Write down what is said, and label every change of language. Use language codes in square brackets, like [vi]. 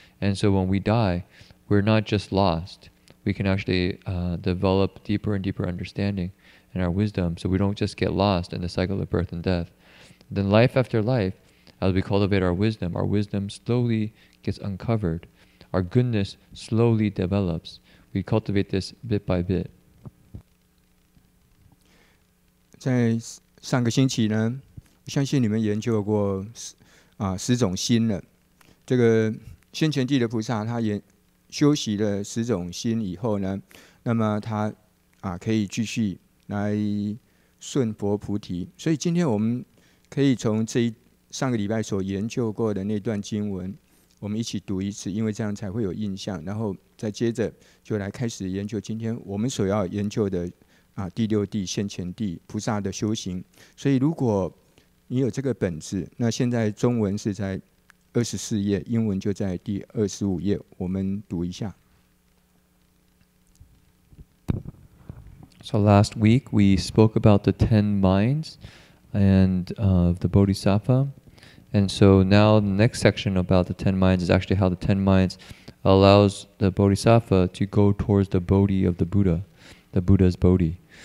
[en] And so when we die, we're not just lost. We can actually develop deeper and deeper understanding and our wisdom, so we don't just get lost in the cycle of birth and death. Then life after life, as we cultivate our wisdom slowly gets uncovered. Our goodness slowly develops. We cultivate this bit by bit. [zh] 在上个星期呢，我相信你们研究过十种心了。这个先前地的菩萨，他也修习了十种心以后呢，那么他可以继续来顺佛菩提。所以今天我们可以从这上个礼拜所研究过的那段经文，我们一起读一次，因为这样才会有印象。然后再接着就来开始研究今天我们所要研究的第六地现前地菩萨的修行。所以如果你有这个本子，那现在中文是在24页，英文就在第25页。我们读一下。 [en] So last week we spoke about the 10 minds and of the Bodhisattva. And so now the next section about the 10 minds is actually how the 10 minds allows the Bodhisattva to go towards the Bodhi of the Buddha, the Buddha's Bodhi.